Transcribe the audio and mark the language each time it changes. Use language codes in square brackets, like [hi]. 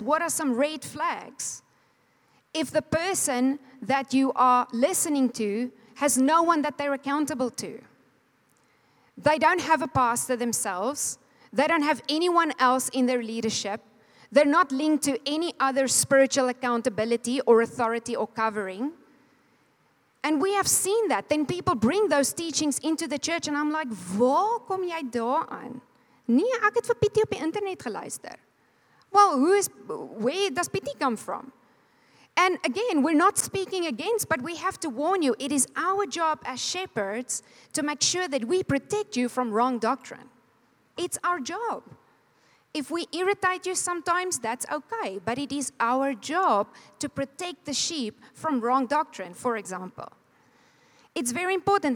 [en] What are some red flags? If the person that you are listening to has no one that they're accountable to, they don't have a pastor themselves. They don't have anyone else in their leadership. They're not linked to any other spiritual accountability or authority or covering. And we have seen that. Then people bring those teachings into the church and I'm like, [af] "Waar kom jy daaraan?" Nee, ek het vir Pietie op die internet geluister. [en] Well, where does Pietie come from? And again, we're not speaking against, but we have to warn you, it is our job as shepherds to make sure that we protect you from wrong doctrine. It's our job. If we irritate you sometimes, that's okay, but it is our job to protect the sheep from wrong doctrine, for example. It's very important.